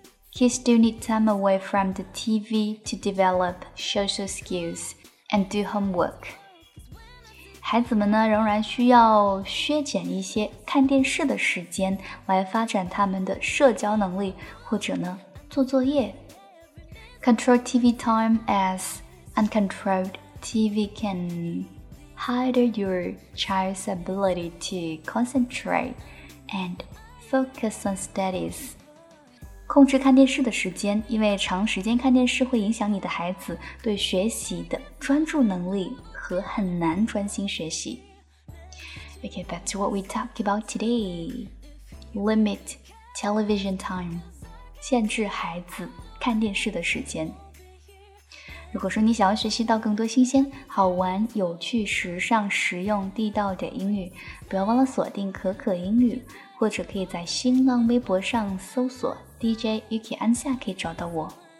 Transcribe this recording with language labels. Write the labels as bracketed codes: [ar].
[en] He still needs time away from the TV to develop social skills and do homework. [zh] 孩子们呢，仍然需要削减一些看电视的时间来发展他们的社交能力，或者呢，做作业。 [en] Control TV time as uncontrolled TV can hinder your child's ability to concentrate and focus on studies. [zh] 控制看电视的时间，因为长时间看电视会影响你的孩子对学习的专注能力和很难专心学习。 [en] Okay, back to what we talk about today. Limit television time. [zh] 限制孩子看电视的时间。如果说你想要学习到更多新鲜、好玩、有趣、时尚、实用、地道的英语，不要忘了锁定可可英语，或者可以在新浪微博上搜索DJ Yuki Ansa 可以找到我。